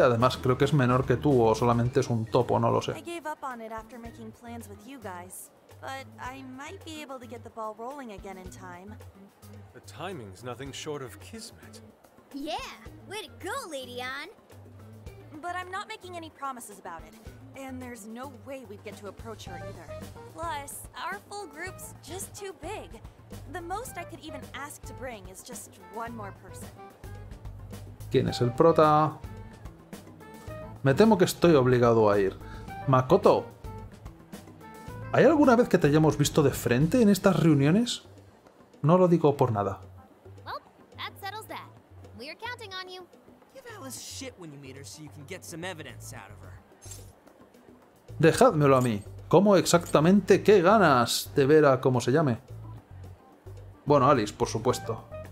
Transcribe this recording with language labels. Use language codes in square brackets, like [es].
[es] Además, creo que es menor que tú, o solamente es un topo, no lo sé. [en] I gave up on it after making plans with you guys. But I might be able to get the ball rolling again in time. The timing's nothing short of kismet. Yeah, way to go, Lady Anne. But I'm not making any promises about it. And there's no way we'd get to approach her either. Plus, our full group's just too big. The most I could even ask to bring is just one more person. [es] ¿Quién es el prota? Me temo que estoy obligado a ir. Makoto. ¿Hay alguna vez que te hayamos visto de frente en estas reuniones? No lo digo por nada. [en] Well, that settles that. We are counting on you. cool as shit when you meet her so you can get some evidence out of her. [es] Dejádmelo a mí. ¿Cómo exactamente qué ganas de ver a cómo se llame? Bueno, Alice, por supuesto.